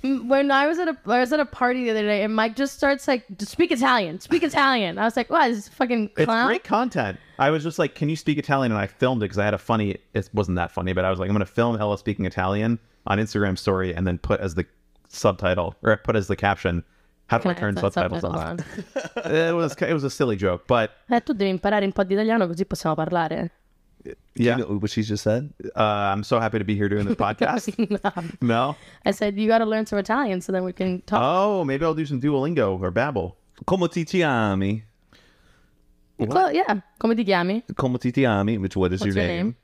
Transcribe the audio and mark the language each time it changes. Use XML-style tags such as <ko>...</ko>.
<en>When I was at a party the other day, and Mike just starts like, speak Italian, speak Italian. I was like, wow, this is fucking clown. It's great content. I was just like, can you speak Italian? And I filmed it because I had a funny, it wasn't that funny, but I was like, I'm going to film Ella speaking Italian on Instagram story and then put as the subtitle or put as the caption. How do I turn subtitles on? It was a silly joke, but.</en> <it>Tu devi imparare un po' di italiano così possiamo parlare.</it> <en>Yeah. Do you know what she just said? I'm so happy to be here doing this podcast. No. I said, you got to learn some Italian so then we can talk. Oh, maybe I'll do some Duolingo or Babbel.</en> <it>Come ti chiami?</it> <en>Well, yeah.</en> <it>Come ti chiami? Come ti chiami,</it> <en>which what is What's your name?</en>